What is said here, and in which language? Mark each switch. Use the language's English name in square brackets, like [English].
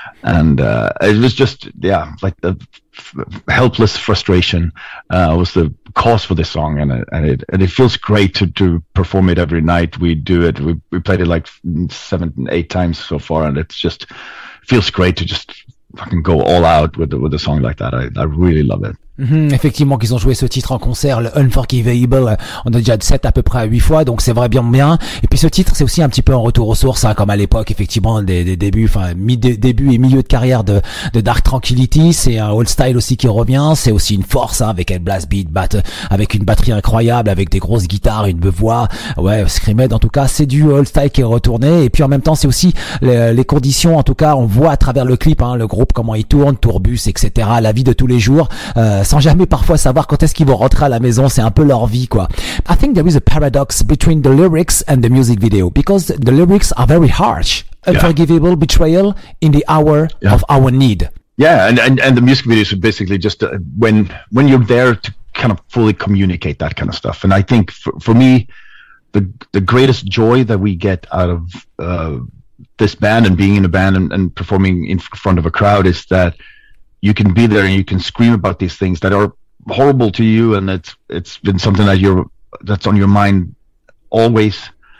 [English] And it was just, like the helpless frustration was the cause for this song, and it feels great to perform it every night. We do it, we played it like 7-8 times so far, and it's just feels great to just fucking go all out with a song like that. I really love it. Mm-hmm. [French] Effectivement, qu'ils ont joué ce titre en concert, le Unforgivable, on a déjà 7 à peu près à 8 fois, donc c'est vrai bien. Et puis ce titre, c'est aussi un petit peu un retour aux sources, hein, comme à l'époque, effectivement, des débuts, enfin début et milieu de carrière de Dark Tranquility. C'est un old style aussi qui revient. C'est aussi une force, hein, avec un blast beat, avec une batterie incroyable, avec des grosses guitares, une voix, ouais, screamed. En tout cas, c'est du old style qui est retourné. Et puis en même temps, c'est aussi les conditions. En tout cas, on voit à travers le clip, hein, le groupe, comment il tourne, tourbus, etc. La vie de tous les jours. Sans jamais parfois savoir quand est-ce qu'ils vont rentrer à la maison, c'est un peu leur vie, quoi. [English] I think there is a paradox between the lyrics and the music video, because the lyrics are very harsh. Unforgivable betrayal in the hour of our need. Yeah, and the music video is basically just when you're there to kind of fully communicate that kind of stuff. And I think for me, the greatest joy that we get out of this band and being in a band and performing in front of a crowd is that you can be there and you can scream about these things that are horrible to you, and it's been something that's on your mind always.